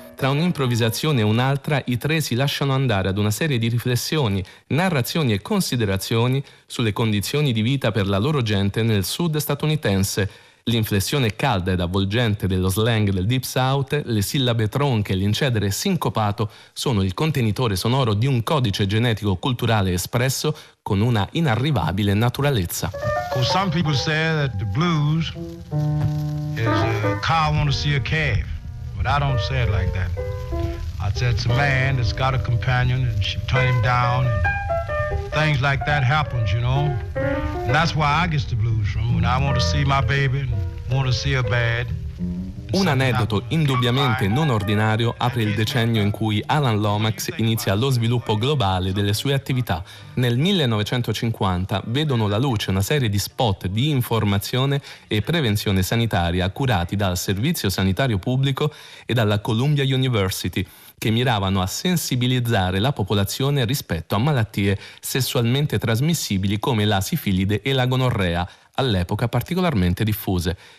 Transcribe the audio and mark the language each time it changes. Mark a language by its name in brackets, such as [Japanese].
[Italian] Tra un'improvvisazione e un'altra, i tre si lasciano andare ad una serie di riflessioni, narrazioni e considerazioni sulle condizioni di vita per la loro gente nel sud statunitense. L'inflessione calda ed avvolgente dello slang del Deep South, le sillabe tronche e l'incedere sincopato sono il contenitore sonoro di un codice genetico culturale espresso con una inarrivabile naturalezza. [English] Well, some people say that the blues is a cow wanna see a calf, but I don't say it like that. I said it's a man that's got a companion and she turned him down and things like that happens, you know. And that's why I get the blues from when I want to see my baby and want to see her bad. [Italian] Un aneddoto indubbiamente non ordinario apre il decennio in cui Alan Lomax inizia lo sviluppo globale delle sue attività. Nel 1950 vedono la luce una serie di spot di informazione e prevenzione sanitaria curati dal Servizio Sanitario Pubblico e dalla Columbia University, che miravano a sensibilizzare la popolazione rispetto a malattie sessualmente trasmissibili come la sifilide e la gonorrea, all'epoca particolarmente diffuse.